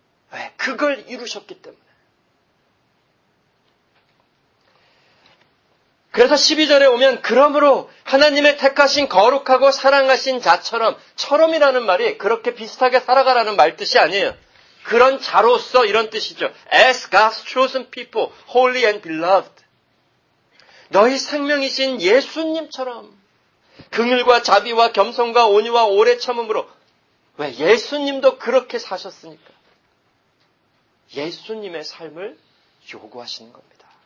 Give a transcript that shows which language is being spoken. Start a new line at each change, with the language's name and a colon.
Korean: 왜? 그걸 이루셨기 때문에. 그래서 12절에 오면 그러므로 하나님의 택하신 거룩하고 사랑하신 자처럼, 처럼이라는 말이 그렇게 비슷하게 살아가라는 말 뜻이 아니에요. 그런 자로서 이런 뜻이죠.
English: As God's chosen people, holy and beloved.
Korean: 너희 생명이신 예수님처럼 긍휼과 자비와 겸손과 온유와 오래 참음으로. 왜? 예수님도 그렇게 사셨으니까. 예수님의 삶을 요구하시는 겁니다.